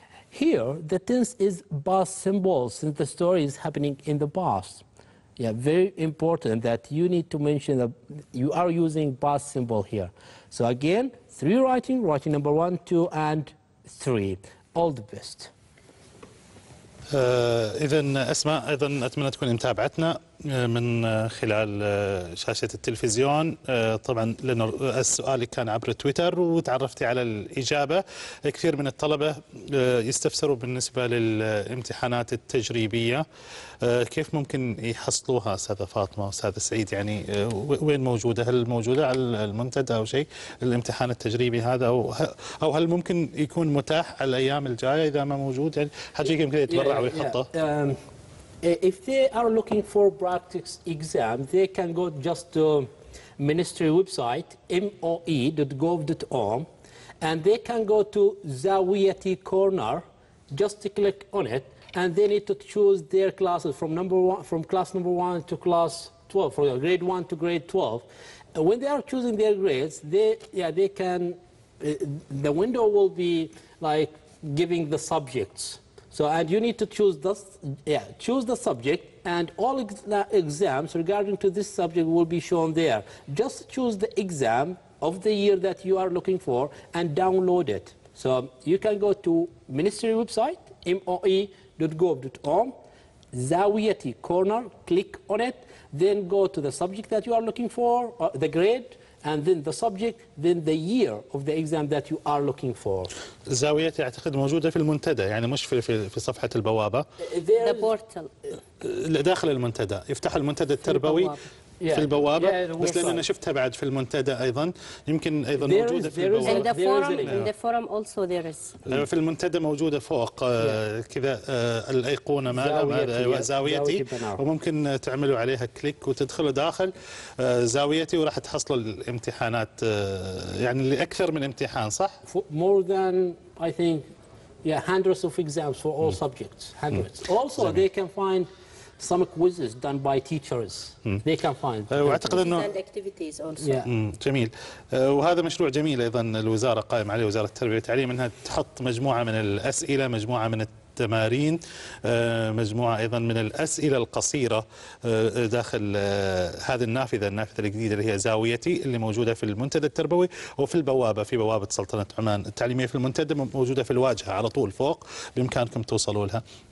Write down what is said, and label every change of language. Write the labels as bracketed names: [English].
[English] Here, the tense is past simple since the story is happening in the past. Yeah, very important that you need to mention that you are using past simple here. So again, three writing number one, two, and three. All the best. [Arabic] إذن أسماء أيضا أتمنى تكون متابعتنا من خلال شاشة التلفزيون. طبعا لأن السؤال كان عبر تويتر وتعرفتي على الإجابة. كثير من الطلبة يستفسروا بالنسبة للامتحانات التجريبية كيف ممكن يحصلوها. أستاذة فاطمة وأستاذ سعيد يعني وين موجودة؟ هل موجودة على المنتدى أو شيء الامتحان التجريبي هذا؟ أو هل ممكن يكون متاح على الأيام الجاية إذا ما موجود؟ يعني حاجيك يمكن يتبرع ويحطه. [English] If they are looking for practice exam, they can go just to ministry website, moe.gov.om, and they can go to Zawiyati corner, just click on it, and they need to choose their classes from number one, from class number one to class 12, from grade 1 to grade 12. When they are choosing their grades, they can, the window will be like giving the subjects. So, and you need to choose the, yeah, choose the subject, and all exams regarding to this subject will be shown there. Just choose the exam of the year that you are looking for and download it. So you can go to ministry website, moe.gov.om, Zawiyati corner, click on it, then go to the subject that you are looking for, the grade, and then the subject, then the year of the exam that you are looking for. [Arabic] زاويتي اعتقد موجوده في المنتدى يعني مش في في صفحه البوابه. [English] The portal. [Arabic] داخل المنتدى، يفتح المنتدى التربوي في البوابه بس لان انا شفتها بعد في المنتدى ايضا يمكن ايضا موجوده في البوابه. [English] And the forum, in the forum also there is. [Arabic] في المنتدى موجوده فوق كذا الايقونه ماله زاويتي وممكن تعملوا عليها كليك وتدخلوا داخل زاويتي وراح تحصلوا الامتحانات يعني لاكثر من امتحان صح؟ [English] More than I think yeah hundreds of exams for all subjects hundreds. Also they can find some quizzes done by teachers. They can find. [Arabic] واعتقد انه [English] activities also. Yeah. [Arabic] جميل. وهذا مشروع جميل ايضا الوزاره قائم عليه وزاره التربيه والتعليم انها تحط مجموعه من الاسئله مجموعه من التمارين مجموعه ايضا من الاسئله القصيره داخل هذه النافذه النافذه الجديده اللي هي زاويتي اللي موجوده في المنتدى التربوي وفي البوابه في بوابه سلطنه عمان التعليميه في المنتدى موجوده في الواجهه على طول فوق بامكانكم توصلوا لها.